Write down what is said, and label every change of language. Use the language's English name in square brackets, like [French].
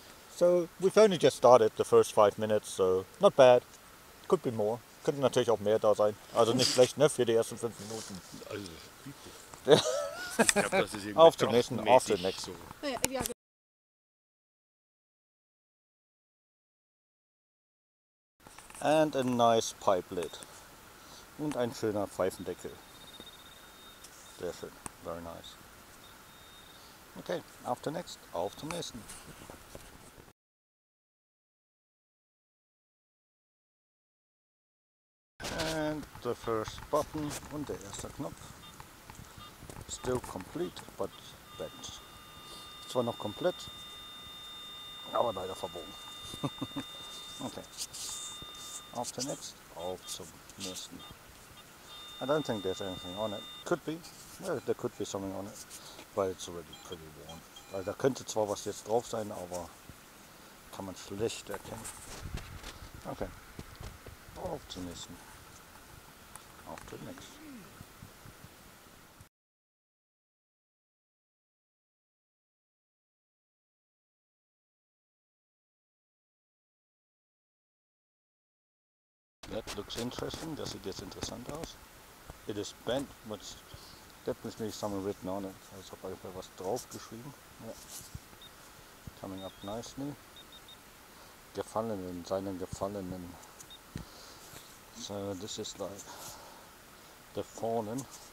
[English] So we've only just started the first 5 minutes, so not bad. Could be more. [German] Könnte natürlich auch mehr da sein. Also nicht schlecht, ne, für die ersten 5 Minuten. Also bitte. Ich glaub, das ist irgendwie auf zum nächsten, auf zum nächsten. [English] And a nice pipe lid. [German] Und ein schöner Pfeifendeckel. Sehr schön, [English] very nice. [German] Okay, auf zum nächsten, auf zum nächsten. [English] And the first button [German] und der erste Knopf. [English] Still complete, but bent. [German] Zwar noch komplett, aber leider verbogen. Okay, auf zum nächsten, auf zum nächsten. [English] I don't think there's anything on it. Could be. Well, there could be something on it. But it's already pretty worn. [German] Weil da könnte zwar was jetzt drauf sein, aber kann man schlecht erkennen. Okay. Auf zum nächsten. Auf zum nächsten. [English] That looks interesting. [German] Das sieht jetzt interessant aus. [English] It is bent, but definitely something written on it. [German] Also auf jeden Fall was drauf geschrieben. [English] Yeah. Coming up nicely. [German] Gefallenen, seinen Gefallenen. [English] So this is like the fallen.